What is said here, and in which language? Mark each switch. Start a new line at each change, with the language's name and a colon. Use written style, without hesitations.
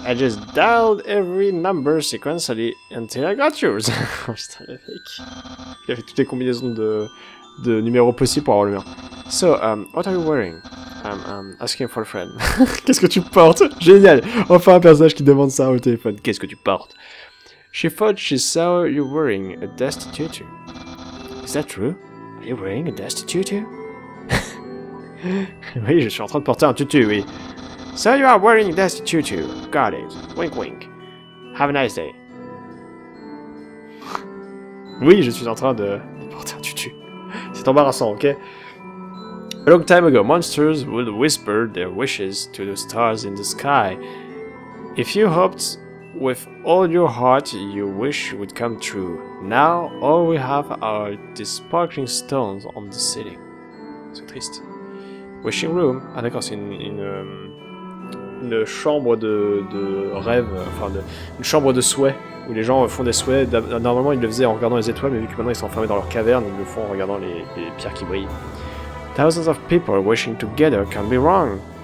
English: I just dialed every number sequentially until I got yours.
French: Putain, le mec. Il a fait toutes les combinaisons de numéros possibles pour avoir le mien.
English: So, what are you wearing? I'm asking for a friend.
French: Qu'est-ce que tu portes? Génial! Enfin, un personnage qui demande ça au téléphone. Qu'est-ce que tu portes?
English: She thought she saw you wearing a dusty tutu. Is that true? Are you wearing a dusty tutu?
French: Oui, je suis en train de porter un tutu, oui.
English: So you are wearing a dusty tutu. Got it. Wink wink. Have a nice day.
French: Oui, je suis en train de porter un tutu. C'est embarrassant, ok?
English: A long time ago, monsters would whisper their wishes to the stars in the sky. If you hoped... With all your heart, your wish would come true. Now, all we have are these sparkling stones on the ceiling.
French: C'est triste.
English: Wishing room.
French: Ah d'accord, c'est une chambre de rêve, enfin une chambre de souhaits, où les gens font des souhaits. Normalement, ils le faisaient en regardant les étoiles, mais vu que maintenant ils sont enfermés dans leur caverne, ils le font en regardant les pierres qui brillent.
English: Thousands of people wishing together can be wrong.